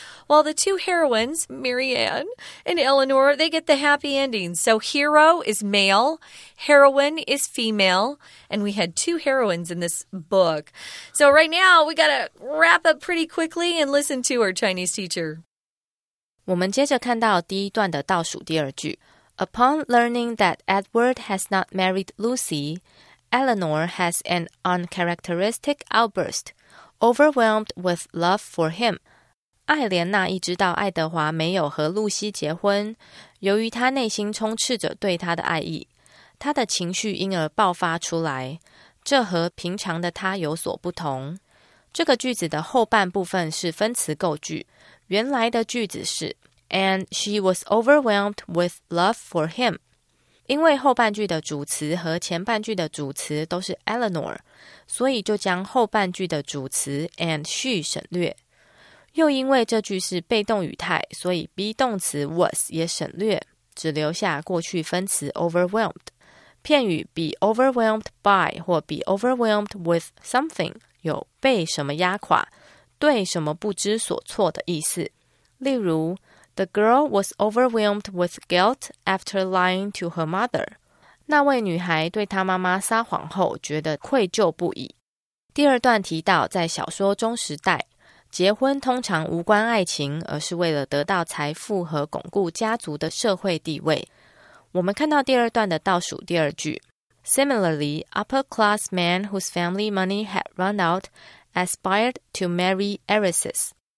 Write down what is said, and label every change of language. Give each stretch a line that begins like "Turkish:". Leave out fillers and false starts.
English: While the two heroines, Marianne and Eleanor, they get the happy ending. So hero is male, heroine is female, and we had two heroines in this book. So right now, we got to wrap up pretty quickly and listen to our Chinese teacher.
Chinese: 我们接着看到第一段的倒数第二句.
English: Upon learning that Edward has not married Lucy, Eleanor has an uncharacteristic outburst, overwhelmed with love for him.
Chinese: 艾莲娜一知道爱德华没有和露西结婚，由于她内心充斥着对他的爱意，她的情绪因而爆发出来，这和平常的她有所不同。这个句子的后半部分是分词构句，原来的句子是
English: And she was overwhelmed with love for him.
Chinese: 因为后半句的主词和前半句的主词都是 Eleanor, 所以就将后半句的主词 and she 省略。又因为这句是被动语态，所以 be 动词 was 也省略，只留下过去分词 overwhelmed。 P 片语
English: be overwhelmed by
Chinese: 或
English: be overwhelmed with something
Chinese: 有被什么压垮、对什么不知所措的意思。例如
English: ,The girl was overwhelmed with guilt after lying to her mother.
Chinese: 那位女孩对她妈妈撒谎后觉得愧疚不已。第二段提到在小说中时代结婚通常无关爱情，而是为了得到财富和巩固家族的社会地位。我们看到第二段的倒数第二句
English: Similarly, upper-class men whose family money had run out aspired to marry heiresses.